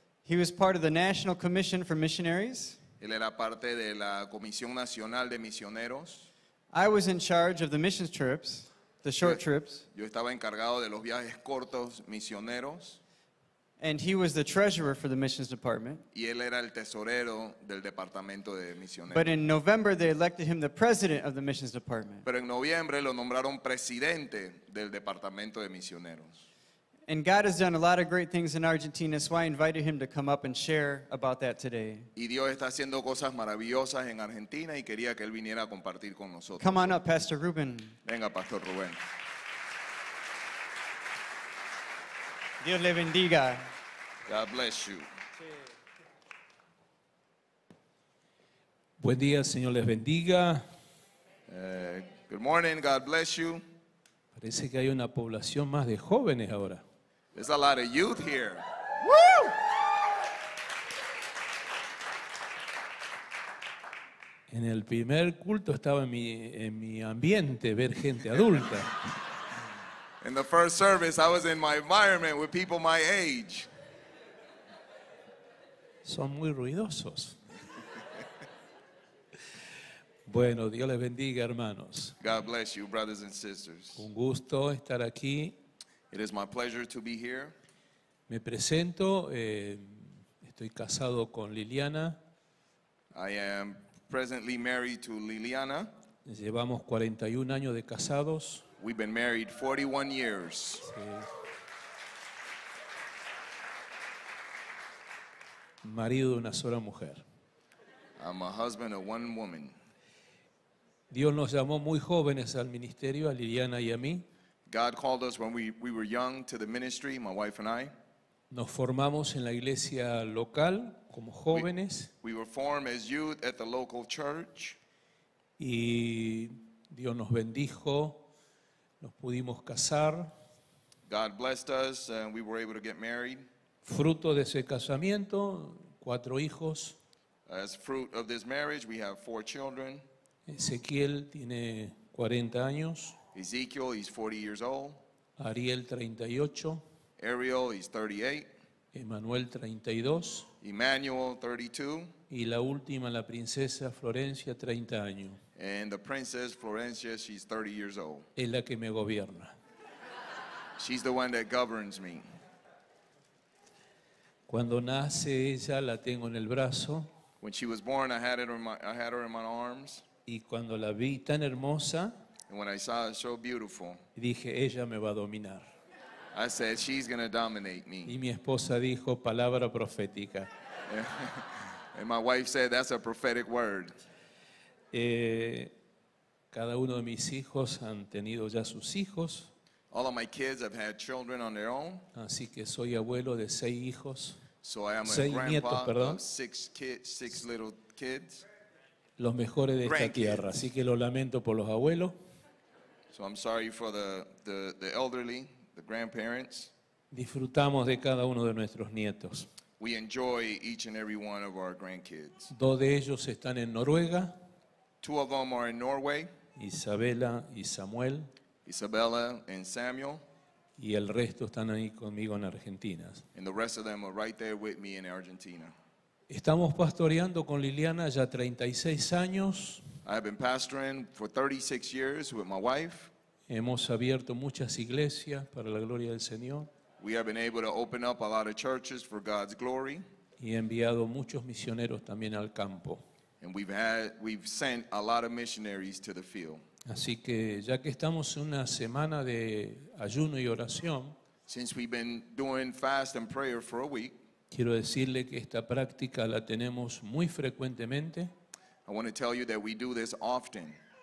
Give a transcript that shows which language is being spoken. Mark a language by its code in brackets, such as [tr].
[en] He was part of the National Commission for Missionaries. [es] Él era parte de la Comisión Nacional de Misioneros. [en] I was in charge of the missions trips, the short trips. [es] Yo estaba encargado de los viajes cortos misioneros. [en] And he was the treasurer for the missions department. [es] Y él era el tesorero del departamento de misioneros. [en] But in November they elected him the president of the missions department. [es] Pero en noviembre lo nombraron presidente del departamento de misioneros. [en] And God has done a lot of great things in Argentina, so I invited him to come up and share about that today. [es] Y Dios está haciendo cosas maravillosas en Argentina y quería que él viniera a compartir con nosotros. [en] Come on up, Pastor Ruben. [es] Venga, Pastor Ruben. Dios le bendiga. [en] God bless you. [es] Buen día, Señor les bendiga. [en] Good morning, God bless you. [es] Parece que hay una población más de jóvenes ahora. [en] There's a lot of youth here. Woo! [es] En el primer culto estaba en mi ambiente ver gente adulta. [en] In the first service, I was in my environment with people my age. [es] Son muy ruidosos. Bueno, Dios les bendiga, hermanos. [en] God bless you, brothers and sisters. [es] Un gusto estar aquí. [en] It is my pleasure to be here. [es] Me presento, estoy casado con Liliana. [en] I am presently married to Liliana. [es] Llevamos 41 años de casados. [en] We've been married 41 years. Sí. [es] Marido de una sola mujer. [en] I'm a husband of one woman. [es] Dios nos llamó muy jóvenes al ministerio, a Liliana y a mí. [en] God called us when we were young to the ministry, my wife and I. [es] Nos formamos en la iglesia local como jóvenes. [en] We were formed as youth at the local church. [es] Y Dios nos bendijo. Nos pudimos casar. [en] God blessed us and we were able to get married. [es] Fruto de ese casamiento, 4 hijos. [en] As fruit of this marriage, we have 4 children. [es] Ezequiel tiene 40 años. [en] Ezekiel is 40 years old. [es] Ariel 38. [en] Ariel is 38. [es] Emmanuel 32. [en] Emmanuel 32. [es] Y la última, la princesa Florencia, 30 años. [en] And the princess Florencia, she's 30 years old. [es] Es la que me gobierna. [en] She's the one that governs me. [es] Cuando nace ella, la tengo en el brazo. [en] When she was born, I had her in my arms. [es] Y cuando la vi tan hermosa, [en] and when I saw her so beautiful, [es] dije, ella me va a dominar. [en] I said, she's going to dominate me. [es] Y mi esposa dijo, palabra profética. [en] And my wife said, that's a prophetic word. [es] Cada uno de mis hijos han tenido ya sus hijos. [en] All of my kids have had children on their own. [es] Así que soy abuelo de 6 hijos. [en] So I am a grandpa of 6 kids, 6 little kids. [es] Los mejores de esta tierra. Así que lo lamento por los abuelos. [en] So I'm sorry for the elderly, the grandparents. [es] Disfrutamos de cada uno de nuestros nietos. [en] We enjoy each and every one of our grandkids. [es] 2 de ellos están en Noruega. [en] 2 of them are in Norway. [es] Isabela y Samuel. [en] Isabella and Samuel. [es] Y el resto están ahí conmigo en Argentina. [en] And the rest of them are right there with me in Argentina. [es] Estamos pastoreando con Liliana ya 36 años. [en] I have been pastoring for 36 years with my wife. [es] Hemos abierto muchas iglesias para la gloria del Señor. [en] We have been able to open up a lot of churches for God's glory. [es] Y he enviado muchos misioneros también al campo. [en] And we've sent a lot of missionaries to the field. [es] Así que ya que estamos en una semana de ayuno y oración, [en] since we've been doing fast and prayer for a week, [es] quiero decirle que esta práctica la tenemos muy frecuentemente. [en] I want to tell you that we do this often.